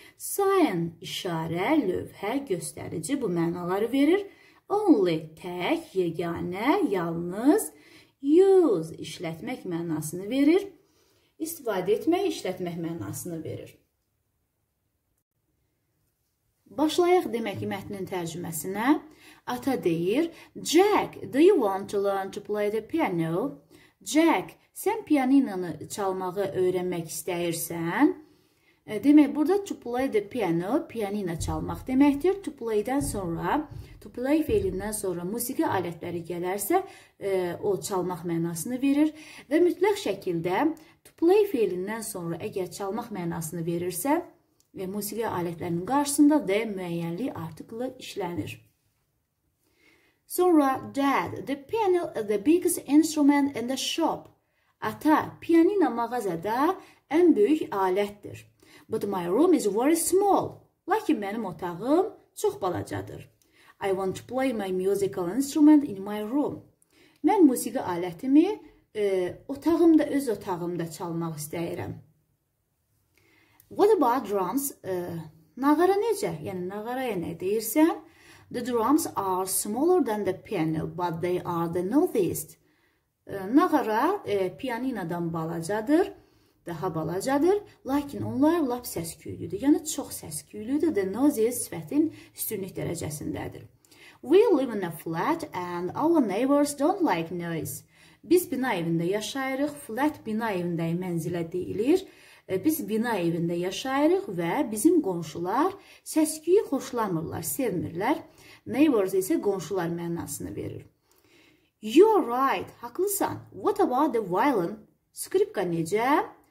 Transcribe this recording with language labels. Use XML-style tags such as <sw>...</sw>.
<az>Sign, işarə, lövhə, göstərici bu mənaları verir. Only, tək, yeganə, yalnız. Use, işlətmək mənasını verir. İstifadə etmək, işlətmək mənasını verir. Başlayaq demək ki, mətnin tərcüməsinə. Ata deyir,</az> <en>Jack, do you want to learn to play the piano?</en> <az>Jack, sən piyaninanı çalmağı öyrənmək istəyirsən? Demək, burada</az> <en>to play the piano,</en> <az>piyanina çalmaq deməkdir. To play-dən sonra, to play fiilindən sonra musiqi alətləri gələrsə, o çalmaq mənasını verir. Və mütləq şəkildə, to play fiilindən sonra əgər çalmaq mənasını verirsə, və musiqi alətlərinin qarşısında də müəyyənli artıqlı işlənir. Sonra,</az> <en>Dad, the piano is the biggest instrument in the shop.</en> <az>Ata, piyanina mağazada ən böyük alətdir.</az> <en>But my room is very small.</en> <az>Lakin mənim otağım çox balacadır.</az> <en>I want to play my musical instrument in my room.</en> <az>Mən musiqi alətimi otağımda, öz otağımda çalmaq istəyirəm.</az> <en>What about drums?</en> <az>Nağara necə? Yəni, nağaraya nə deyirsən?</az> <en>The drums are smaller than the piano, but they are the noisiest.</en> <az>Nağara piyaninadan balacadır, daha balacadır, lakin onlar lap səsküylüdür. Yəni, çox səsküylüdür,</az> <en>the noisiest</en> <az>sifətin üstünlük dərəcəsindədir.</az> <en>We live in a flat and our neighbors don't like noise.</en> <az>Biz bina evində yaşayırıq, flat bina evində mənzilə deyilir. Biz bina evində yaşayırıq və bizim qonşular səsküyü xoşlamırlar, sevmirlər. Neighbors isə qonşular mənasını verir.</az> <en>You're right,</en> <az>haqlısan.</az> <en>What about the violin?</en> <az>Skripka necə?</az>